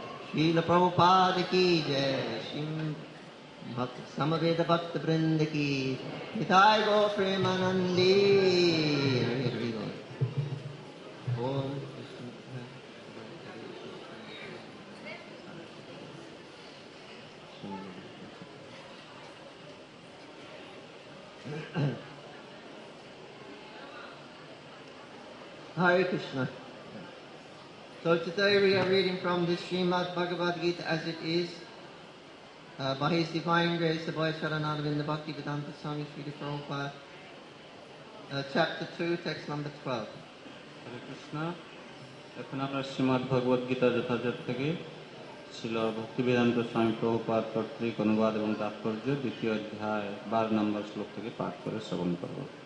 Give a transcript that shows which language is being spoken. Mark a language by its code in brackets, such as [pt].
[hi] श्रील प्रभुपाद की जय भक्त समवेद भक्त वृंद की निताय गो प्रेमानंदी हरि हरि गो ओम Hare Krishna. [en] So today we are reading from the Srimad Bhagavad Gita as it is, by His Divine Grace, the Bhaya Charanaravinda Bhakti Vedanta Swami Sridhar Prabhupada, chapter 2, text number 12. Hare Krishna. [bn] এখন আমরা শ্রীমদ্ ভগবদ গীতা যথাযথ থেকে শ্রীল ভক্তিবেদান্ত স্বামী প্রভুপাদ কর্তৃক অনুবাদ এবং তাৎপর্য দ্বিতীয় অধ্যায় 12 নম্বর শ্লোক থেকে পাঠ করে শ্রবণ করব।